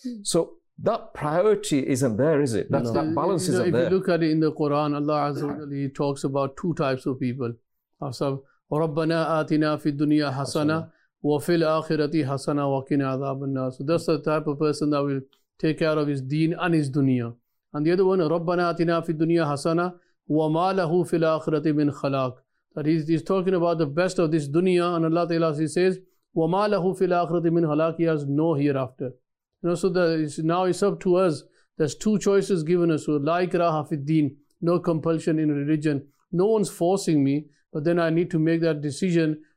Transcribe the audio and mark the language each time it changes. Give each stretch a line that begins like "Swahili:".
English: So that priority isn't there, is it? That balance isn't there. If you look at it in the Quran, Allah Azza wa Jalla talks about two types of people.
Arabic: رَبَّنَا آتِنَا فِي الدُّنْيَا حَسَنًا وَفِي الْآخِرَةِ حَسَنًا وَقِنَا عَذَابَ النَّارِ.
English: So that's the type of person that will take care of his deen and his dunya. And the other one,
Arabic: رَبَّنَا آتِنَا فِي الدُّنْيَا حَسَنًا وَمَا لَهُ فِي الْآخِرَةِ مِنْ خَلَاقٍ.
English: That he's talking about the best of this dunya, and Allah Ta'ala says,
Arabic: وَمَا لَهُ فِي الْآخِرَةِ مِنْ خَلَاقٍ.
English: He has no hereafter. You know, so now it's up to us. There's two choices given us.
Arabic: لَا إِكْرَاهَ فِي الدِّينِ.
English: No compulsion in religion. No one's forcing me. But then I need to make that decision.